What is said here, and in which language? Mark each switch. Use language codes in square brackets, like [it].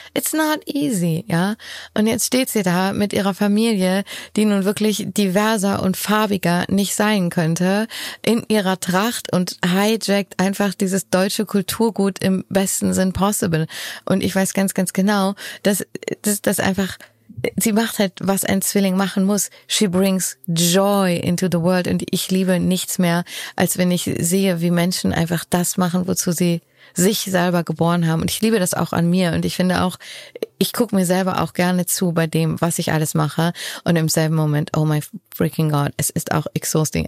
[en] It's not easy, [de] ja? Und jetzt steht sie da mit ihrer Familie, die nun wirklich diverser und farbiger nicht sein könnte, in ihrer Tracht und hijackt einfach dieses deutsche Kulturgut im besten Sinn [en] possible. [de] Und ich weiß ganz, ganz genau, dass einfach, sie macht halt, was ein Zwilling machen muss. [en] She brings joy into the world. [de] Und ich liebe nichts mehr, als wenn ich sehe, wie Menschen einfach das machen, wozu sie sich selber geboren haben. Und ich liebe das auch an mir. Und ich finde auch, ich gucke mir selber auch gerne zu bei dem, was ich alles mache. Und im selben Moment, [en] oh my freaking God, [de] es ist auch [en] exhausting.